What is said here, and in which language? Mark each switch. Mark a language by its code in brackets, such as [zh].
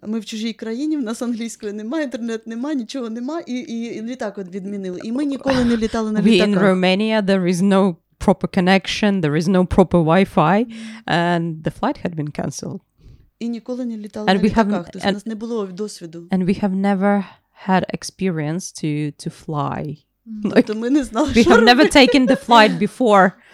[uk] Ми в чужій країні, в нас англійської немає, інтернет немає, нічого немає, і літак от відмінили. І ми ніколи не літали на літаках. [en] In Romania there is no proper connection, there is no proper Wi-Fi, and the flight had been cancelled. [uk] І ніколи не літали на літаках, тобто у нас не було досвіду. [en] And we have never had experience to fly. [uk] Тобто ми не знали, що робити. [en] We have never taken the flight before.